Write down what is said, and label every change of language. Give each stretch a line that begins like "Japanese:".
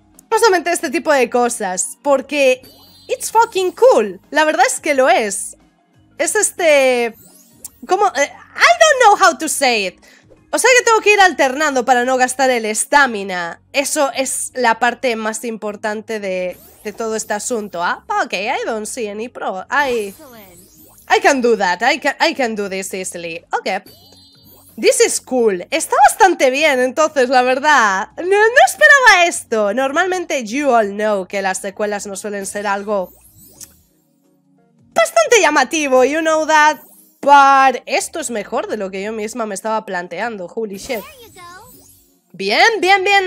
Spanish: Justamente este tipo de cosas. Porque...
English: it's fucking cool.
Spanish: La verdad es que lo es. Es este... ¿cómo?
English: I don't know how to say it.
Spanish: O sea que tengo que ir alternando para no gastar el stamina. Eso es la parte más importante de todo este asunto, ¿ah?
English: Ok, I don't see any pro. I can do that. I can do this easily. Ok. This is cool.
Spanish: Está bastante bien, entonces, la verdad. No esperaba esto. Normalmente,
English: you all know
Spanish: que las secuelas no suelen ser algo bastante llamativo,
English: you know that.
Spanish: Pero esto es mejor de lo que yo misma me estaba planteando.
English: Holy shit.
Spanish: Bien, bien, bien.